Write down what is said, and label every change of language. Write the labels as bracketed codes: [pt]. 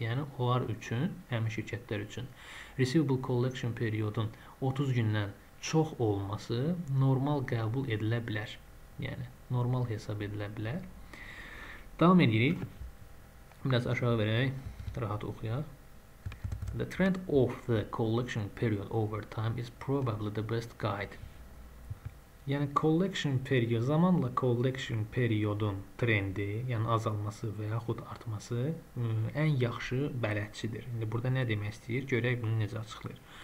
[az] Yəni, onlar üçün, həmin şirkətlər üçün receivable collection periodun 30 gündən çox olması normal qəbul edilə bilər. Yəni, normal hesab edilə bilər. Davam edirik. Biraz aşağı verək, rahat oxuyaq. [en] The trend of the collection period over time is probably the best guide. [az] Yəni, collection period, zamanla collection periodun trendi, yəni azalması və yaxud artması ən yaxşı bələdçidir. İndi burada nə demək istəyir? Görək, bunu necə açıqlayır.